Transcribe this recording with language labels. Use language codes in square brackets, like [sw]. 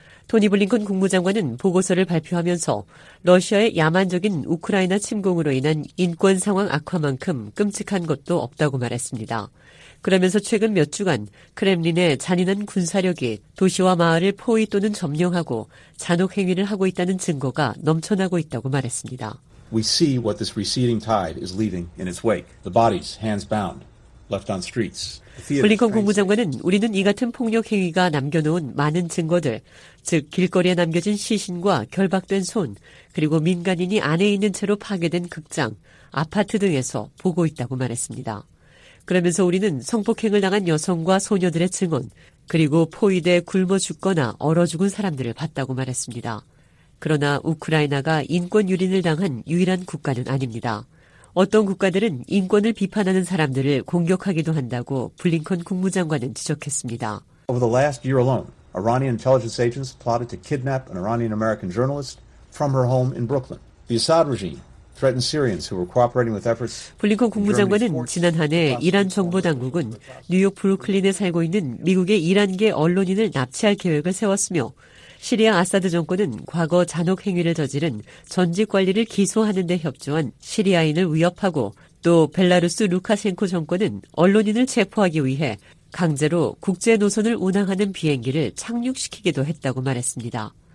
[ko] 토니 블링컨 국무장관은 보고서를 발표하면서 러시아의 야만적인 우크라이나 침공으로 인한 인권 상황 악화만큼 끔찍한 것도 없다고 말했습니다. 그러면서 최근 몇 주간 크렘린의 잔인한 군사력이 도시와 마을을 포위 또는 점령하고 잔혹 행위를 하고 있다는 증거가 넘쳐나고 있다고 말했습니다. [en] We see what this receding tide is leaving in its wake. The bodies, hands bound, left on streets. [ko] 블링컨 국무장관은 우리는 이 같은 폭력 행위가 남겨놓은 많은 증거들, 즉 길거리에 남겨진 시신과 결박된 손, 그리고 민간인이 안에 있는 채로 파괴된 극장, 아파트 등에서 보고 있다고 말했습니다. 그러면서 우리는 성폭행을 당한 여성과 소녀들의 증언, 그리고 포위돼 굶어 죽거나 얼어 죽은 사람들을 봤다고 말했습니다. 그러나 우크라이나가 인권 유린을 당한 유일한 국가는 아닙니다. 어떤 국가들은 인권을 비판하는 사람들을 공격하기도 한다고 블링컨 국무장관은 지적했습니다. [en] Over the last year alone, Iranian intelligence agents plotted to kidnap an Iranian-American journalist from her home in Brooklyn. The Assad regime threatened Syrians who were cooperating with efforts. [ko] 블링컨 국무장관은 지난 한 해 이란 정보 당국은 뉴욕 브루클린에 살고 있는 미국의 이란계 언론인을 납치할 계획을 세웠으며 시리아 아사드 정권은 과거 잔혹 행위를 저지른 전직 관리를 기소하는 데 협조한 시리아인을 위협하고 또 벨라루스 루카셴코 정권은 언론인을 체포하기 위해 강제로 국제 노선을 운항하는 비행기를 착륙시키기도 했다고 말했습니다.